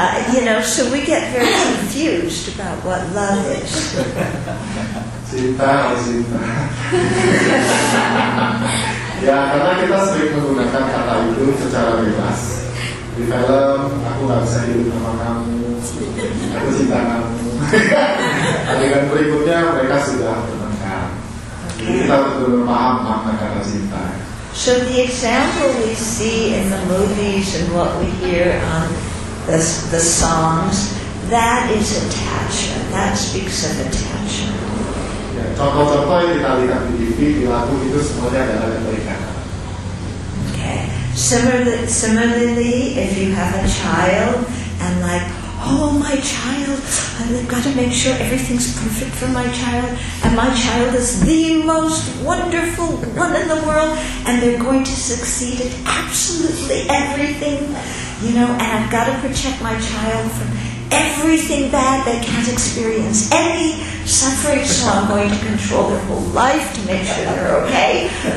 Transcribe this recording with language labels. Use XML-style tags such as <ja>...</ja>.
<en>You know, so we get very confused about what love is.</en> <id>Cinta, cinta. Ya, karena kita sering menggunakan kata itu secara bebas. Di film, aku gak bisa hidup sama kamu, aku cinta kamu. Adegan berikutnya, mereka sudah menangkan. Jadi kita betul-betul paham makna kata cinta.</id> <en>So the example we see in the movies and what we hear on the songs, that is attachment. That speaks of attachment.</en> <id>Ya, contoh-contoh yang kita lihat di TV, di lagu itu semuanya adalah keterikatan.</id> <en>Okay. Similarly, if you have a child and like, oh, my child, I've got to make sure everything's perfect for my child, and my child is the most wonderful one in the world, and they're going to succeed at absolutely everything, you know, and I've got to protect my child from everything bad they can't experience, any suffering, so I'm going to control their whole life to make sure they're okay.</en>